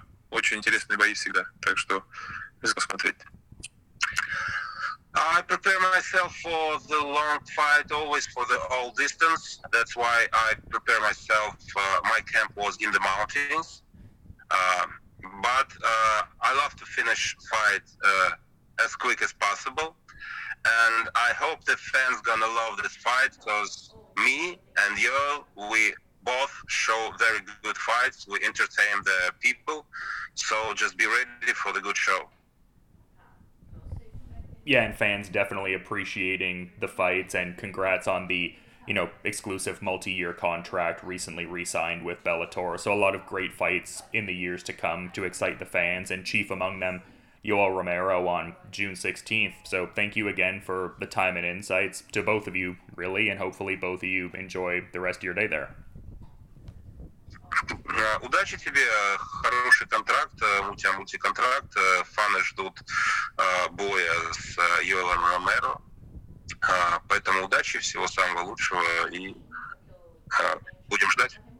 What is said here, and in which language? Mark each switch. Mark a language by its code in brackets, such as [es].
[ru] очень интересные бои всегда, так что посмотреть. [en] I prepare myself for the long fight, always for the all distance. That's why I prepare myself. My camp was in the mountains. But I love to finish fight as quick as possible. And I hope the fans gonna love this fight, because me and Joel, we both show very good fights. We entertain the people. So just be ready for the good show. Yeah, and fans definitely appreciating the fights, and congrats on the, you know, exclusive multi-year contract recently re-signed with Bellator. So a lot of great fights in the years to come to excite the fans, and chief among them, Yoel Romero on June 16th. So thank you again for the time and insights to both of you, really, and hopefully both of you enjoy the rest of your day there. [ru] Удачи тебе, хороший контракт, у тебя мультиконтракт, фаны ждут боя с Йоэлом Ромеро, поэтому удачи, всего самого лучшего и будем ждать.